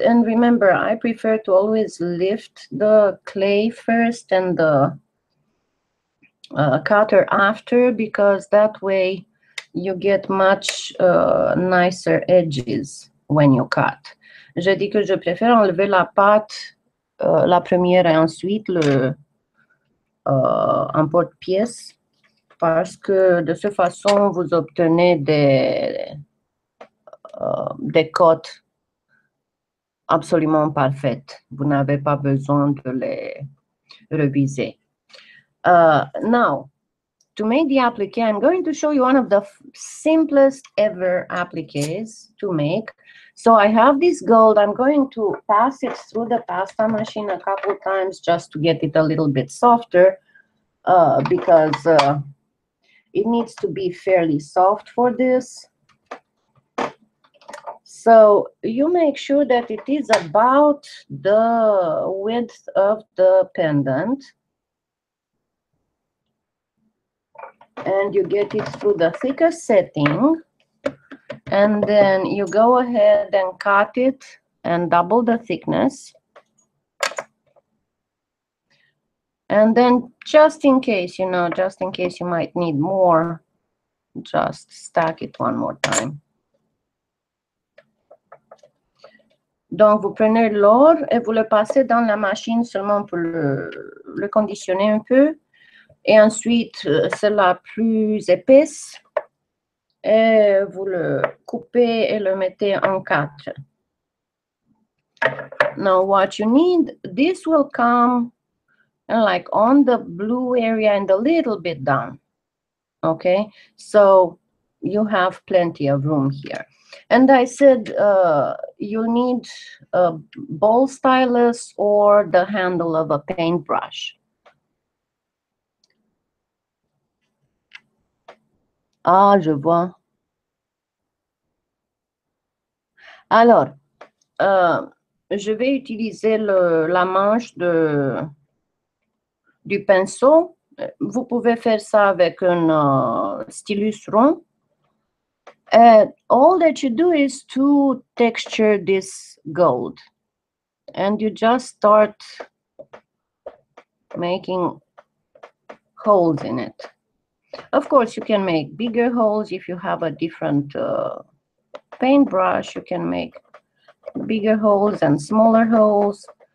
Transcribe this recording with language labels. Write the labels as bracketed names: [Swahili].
[English] And remember, I prefer to always lift the clay first and the cutter after, because that way you get much nicer edges when you cut. [French] Je dis que je préfère enlever la pâte la première et ensuite le emporte-pièce, parce que de cette façon vous obtenez des côtes absolument parfaites. Vous n'avez pas besoin de les reviser. [English] Now, to make the applique, I'm going to show you one of the simplest ever appliques to make. So I have this gold. I'm going to pass it through the pasta machine a couple times just to get it a little bit softer, because it needs to be fairly soft for this. So you make sure that it is about the width of the pendant. And you get it through the thickest setting. And then you go ahead and cut it and double the thickness. And then just in case, you know, just in case you might need more, just stack it one more time. [French] Donc, vous prenez l'or et vous le passez dans la machine seulement pour le conditionner un peu. Et ensuite, c'est la plus épaisse. Et vous le coupez et le mettez en quatre. [English] Now, what you need, this will come like on the blue area and a little bit down. Okay? So, you have plenty of room here. And I said you need a ball stylus or the handle of a paintbrush. [French] Ah, je vois. Alors, je vais utiliser la manche du pinceau. Vous pouvez faire ça avec un stylus rond. [English] And all that you do is to texture this gold. And you just start making holes in it. Of course, you can make bigger holes if you have a different paintbrush. You can make bigger holes and smaller holes.